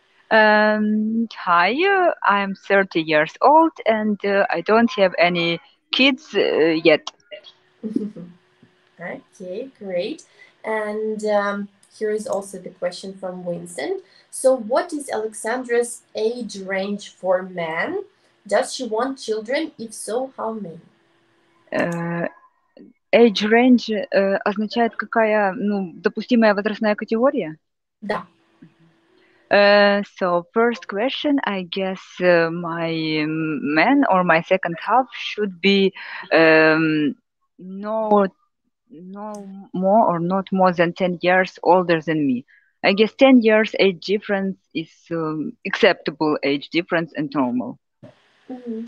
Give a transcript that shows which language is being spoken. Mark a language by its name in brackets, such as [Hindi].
[English] Hi, I'm 30 years old and I don't have any kids yet. Okay, great. And here is also the question from Vincent. So what is Aleksandra's age range for men? Does she want children? If so, how many? Age range [Russian] означает какая, ну, допустимая возрастная категория? Да. [English] So first question, I guess my man or my second half should be not more than 10 years older than me. I guess 10 years age difference is acceptable age difference and normal. Mm-hmm.